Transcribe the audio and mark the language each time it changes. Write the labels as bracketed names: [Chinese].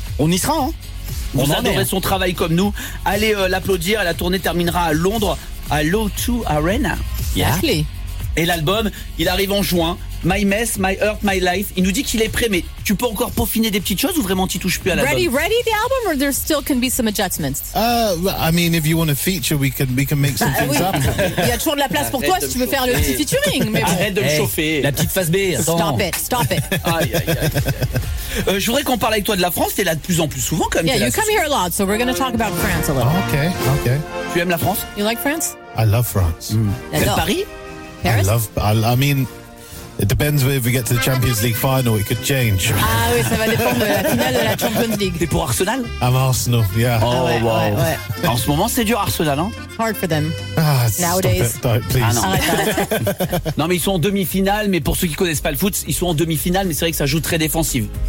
[French] On y sera, hein. Vous adorez son travail comme nous. Allez l'applaudir. La tournée terminera à Londres, à l'O2 Arena. [English] Yeah. [French] Et l'album, il arrive en juin. My Mess, My Heart, My Life. Il nous dit qu'il est prêt, mais tu peux encore peaufiner des petites choses ou vraiment tu touches plus à l'album? [English] Ready the album or there still can be some adjustments? I mean, if you want a feature, we can make some things up. [French] Il y a toujours de la place pour toi si tu veux faire le petit featuring. Mais bon. Arrête de me chauffer. La petite face B, attends. [English] Stop it. [French] Je voudrais qu'on parle avec toi de la France. T'es là de plus en plus souvent quand même. [English] Yeah, you come here a lot, so we're going to talk about France a little. Okay. [French] Tu aimes la France? [English] You like France? I love France. Mm. Paris? Paris? I mean... It depends if we get to the Champions League final, it could change. [French] Ah oui, ça va dépendre de la finale de la Champions League. T'es pour Arsenal? [English] I'm Arsenal, yeah. Oh, wow. [French] Ouais. En ce moment, c'est dur Arsenal, hein? [English] Hard for them. Nowadays. Stop it, please. [French] Non, mais ils sont en demi-finale, mais pour ceux qui ne connaissent pas le foot, ils sont en demi-finale, mais c'est vrai que ça joue très défensive.